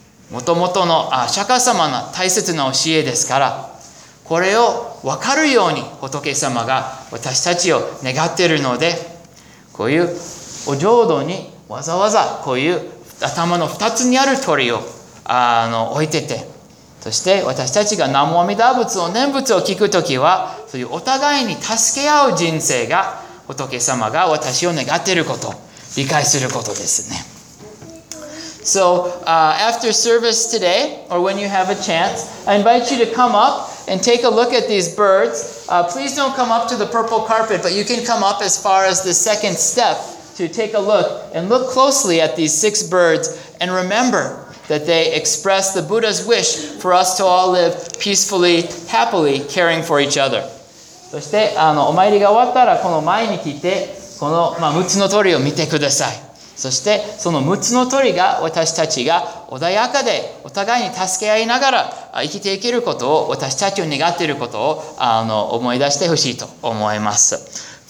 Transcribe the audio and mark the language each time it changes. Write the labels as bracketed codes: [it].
[ja] もともとの釈迦様の大切な教えですから、これを分かるように仏様が私たちを願っているので、こういうお浄土にわざわざこういう頭の二つにある鳥を置いてて、そして私たちが南無阿弥陀仏の念仏を聞くときは、そういうお互いに助け合う人生が仏様が私を願っていることを理解することですね。 [en] So, after service today, or when you have a chance, I invite you to come up and take a look at these birds. Please don't come up to the purple carpet, but you can come up as far as the second step to take a look and look closely at these six birds and remember that they express the Buddha's wish for us to all live peacefully, happily, caring for each other. [ja] そして、お参りが終わったら、この前に来て、この、まあ、6つの鳥を見てください。そして、その6つの鳥が私たちが穏やかでお互いに助け合いながら生きていけることを、私たちを願っていることを思い出してほしいと思います。